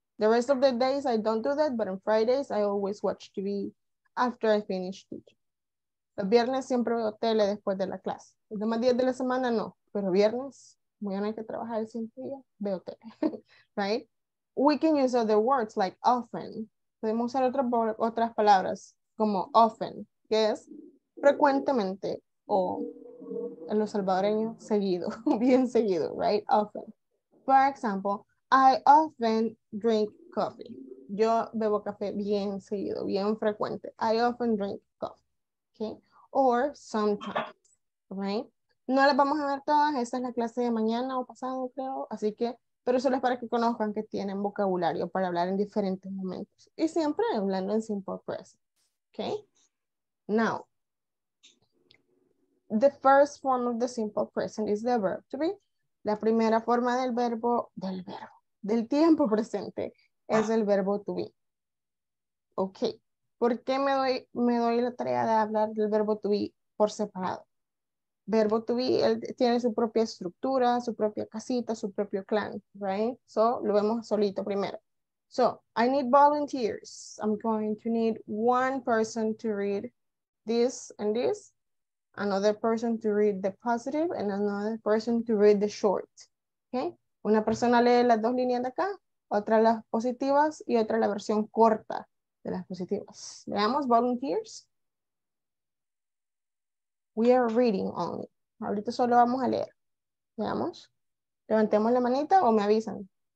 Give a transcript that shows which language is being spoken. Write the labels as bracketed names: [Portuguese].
[English] The rest of the days, I don't do that, but on Fridays, I always watch TV after I finish teaching. [Spanish] Los viernes siempre veo tele después de la clase. Los demás días de la semana, no. Pero viernes, mañana hay que trabajar el siguiente día, veo tele, right? [English] We can use other words like often. [Spanish] Podemos usar otras palabras como often, que es frecuentemente o en los salvadoreños, seguido, bien seguido, right? [English] Often. For example, I often drink coffee. [Spanish] Yo bebo café bien seguido, bien frecuente. [English] I often drink coffee, okay? Or sometimes, right? [Spanish] No las vamos a ver todas, esta es la clase de mañana o pasado, creo, así que pero solo es para que conozcan que tienen vocabulario para hablar en diferentes momentos. Y siempre hablando en simple present. Okay? [English] Now, the first form of the simple present is the verb to be. [Spanish] La primera forma del tiempo presente es el verbo to be. Okay. ¿Por qué me doy la tarea de hablar del verbo to be por separado? Verbo to be, él tiene su propia estructura, su propia casita, su propio clan, right? [English] So, [Spanish] lo vemos solito primero. [English] So, I need volunteers. I'm going to need one person to read this and this, another person to read the positive, and another person to read the short, okay? [Spanish] Una persona lee las dos líneas de acá, otra las positivas, y otra la versión corta de las positivas. Veamos, volunteers. [English] We are reading only. [Spanish] Ahorita solo vamos a leer. Veamos. Levantemos la manita o me avisan.